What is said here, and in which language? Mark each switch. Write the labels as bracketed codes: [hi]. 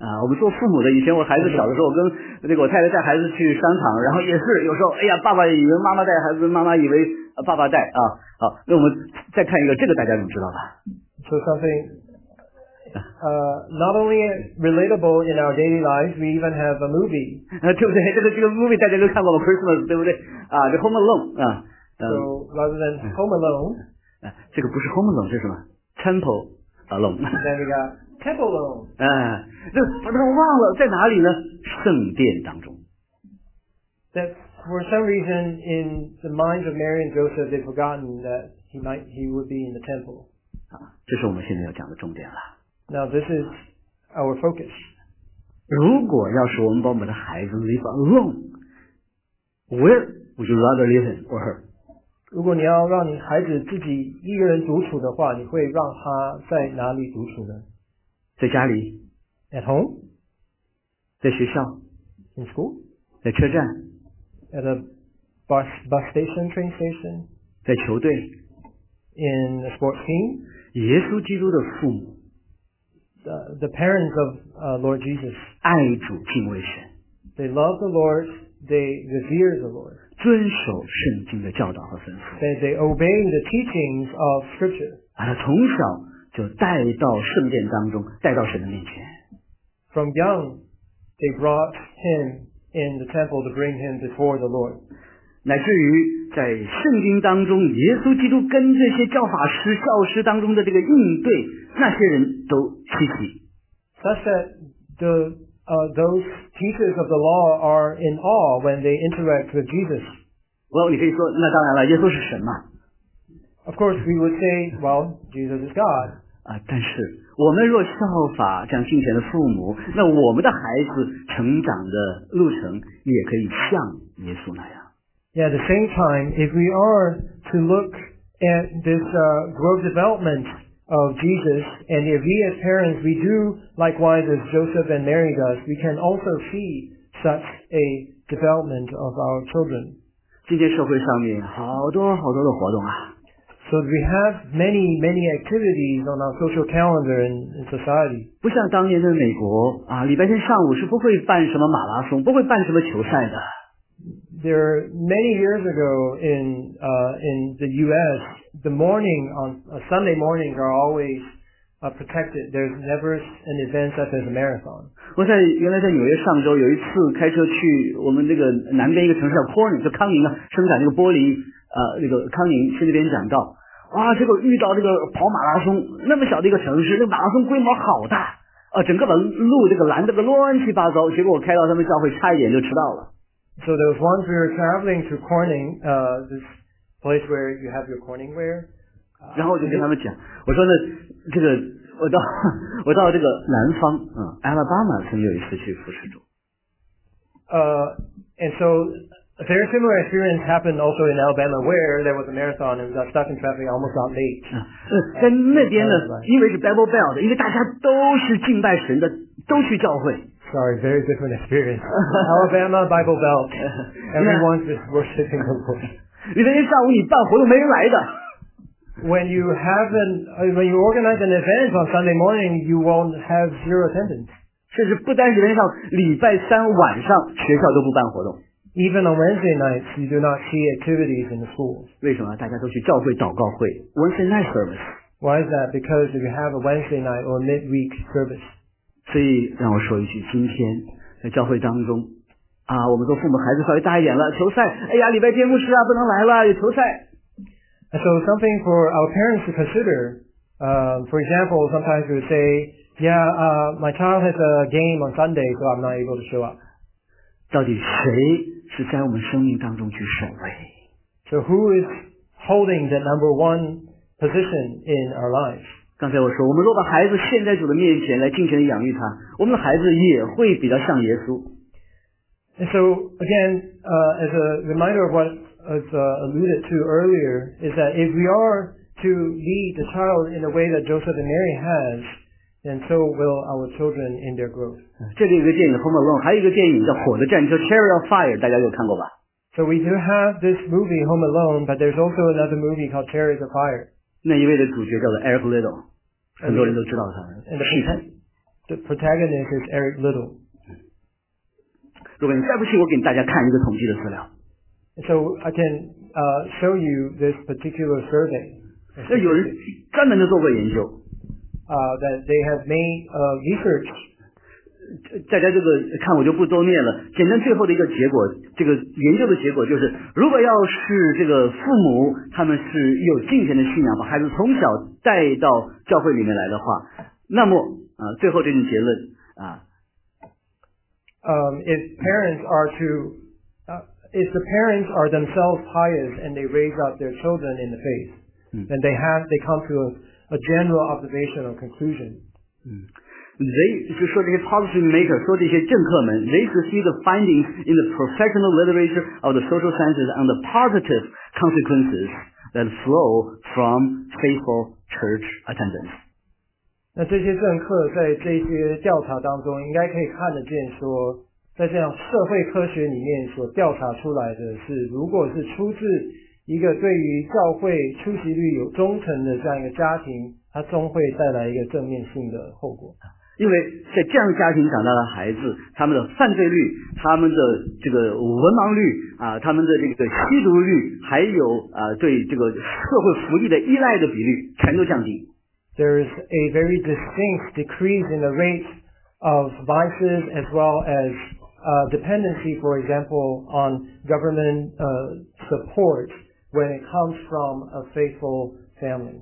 [zh] 我们做父母的，以前我孩子小的时候，我跟那个我太太带孩子去商场，然后也是有时候，哎呀，爸爸以为妈妈带孩子，妈妈以为爸爸带啊。好，那我们再看一个，这个大家怎么知道吧 [en] ？So something, not only relatable in our daily lives, we even have a movie. [zh] 对不对？这个 movie 大家都看过吧 ？Christmas， 对不对？啊，这 Home Alone 啊。 [en] So rather than Home Alone. [zh] 这个不是 Home Alone， 这是什么 ？Temple Alone。 [en] Then we got Temple Alone。 [zh] 哎，这忘了在哪里呢？圣殿当中。 [en] That for some reason in the minds of Mary and Joseph, they've forgotten that he would be in the temple. [zh] 啊，这是我们现在要讲的重点了。 [en] Now this is our focus. [zh] 如果要是我们把我们的孩子 [en] leave alone, where would you rather leave him or her? [zh] 如果你要让你孩子自己一个人独处的话，你会让他在哪里独处呢？在家里。 [en] At home? [zh] 在学校。 [en] In school? [zh] 在车站。 [en] At a bus station, train station? [zh] 在球队。 [en] In a sports team? [zh] 耶稣基督的父母。 [en] The parents of Lord Jesus. [zh] 爱主敬畏神。 [en] They love the Lord, they revere the Lord. [zh] 遵守圣经的教导和吩咐。 [en] That they obey the teachings of Scripture. [zh] 把他从小就带到圣殿当中，带到神的面前。 [en] From young, they brought him in the temple to bring him before the Lord. [zh] 乃至于在圣经当中，耶稣基督跟这些教法师、教师当中的这个应对，那些人都稀奇。 [en] Such that the those teachers of the law are in awe when they interact with Jesus. [zh] Well, 你可以说，那当然了，耶稣是神嘛。 [en] Of course, we would say, well, Jesus is God. [zh] 啊，但是我们若效法这样敬虔的父母，那我们的孩子成长的路程也可以像耶稣那样。 [en] Yeah, at the same time, if we are to look at this growth development. Of Jesus, and if we as parents we do likewise as Joseph and Mary does, we can also see such a development of our children. [zh] 今天社会上面好多好多的活动啊。 [en] So we have many many activities on our social calendar in society. [zh] 不像当年的美国啊，礼拜天上午是不会办什么马拉松，不会办什么球赛的。 [en] There many years ago in the U.S., the morning on Sunday mornings are always protected. There's never an event such as a marathon. [zh] 我在原来在纽约上周有一次开车去我们这个南边一个城市叫 Corning， 就康宁啊，生产这个玻璃，那个康宁去那边讲道，哇，结果遇到这个跑马拉松，那么小的一个城市，这个马拉松规模好大，整个把路这个拦得个乱七八糟，结果我开到他们教会差一点就迟到了。 [en] So there was once we were traveling to Corning, this place where you have your Corningware. [zh] 然后我就跟他们讲，我说呢，这个我到这个南方，Alabama 曾有一次去服侍主。 [en] And so a very similar experience happened also in Alabama, where there was a marathon and we got stuck in traffic almost out late. [zh] 在那边呢，因为是 Bible Belt， 因为大家都是敬拜神的，都去教会。 [en] Sorry, very different experience. Alabama Bible Belt. Everyone's just worshiping the Lord. [zh] 礼拜天上午你办活动没人来的。 [en] When you organize an event on Sunday morning, you won't have zero attendance. [zh] 甚至不单是礼拜上，礼拜三晚上学校都不办活动。 [en] Even on Wednesday nights, you do not see activities in the schools. [zh] 为什么？大家都去教会祷告会 ， [en] Wednesday night service. Why is that? Because if you have a Wednesday night or midweek service. [zh] 所以让我说一句，今天在教会当中啊，我们做父母孩子稍微大一点了，球赛，哎呀，礼拜天牧师啊不能来了，有球赛。 [en] So something for our parents to consider. For example, sometimes we say, yeah, my child has a game on Sunday, so I'm not able to show up. [zh] 到底谁是在我们生命当中去守卫 [en] ？So who is holding the number one position in our life? [zh] 刚才我说，我们若把孩子献在主的面前来尽情的养育他，我们的孩子也会比较像耶稣。 [en] And so again, as a reminder of what was alluded to earlier, is that if we are to lead the child in the way that Joseph and Mary has, then so will our children in their growth. [zh] 这里有一个电影《Home Alone》，还有一个电影叫《火的战车》（Chariot of Fire）， 大家有看过吧 [en] ？So we do have this movie Home Alone, but there's also another movie called Chariot of Fire. [zh] 那一位的主角叫做 Eric Little， 很多人都知道他。 [en] The protagonist is Eric Little。 [zh] 如果你再不信，我给大家看一个统计的资料。 [en] So I can show you this particular survey。 [zh] 那有人专门的做过研究。 [en] That they have made research。 [zh] 大家这个看我就不多念了，简单最后的一个结果，这个研究的结果就是，如果要是这个父母他们是有敬虔的信仰，把孩子从小带到教会里面来的话，那么最后这种结论啊。 [en] If the parents are themselves pious and they raise up their children in the faith, then they come to a general observation or conclusion. They should see the findings in the professional literature of the social sciences on the positive consequences that flow from faithful church attendance. [zh] 那这些政客在这些调查当中应该可以看得见说在这样社会科学里面所调查出来的是如果是出自一个对于教会出席率有忠诚的这样一个家庭它终会带来一个正面性的后果因为在这样家庭长大的孩子他们的犯罪率他们的这个文盲率啊，他们的这个吸毒率还有啊，对这个社会福利的依赖的比率全都降低 [en] There is a very distinct decrease in the rate of vices as well as dependency, for example, on government support when it comes from a faithful family.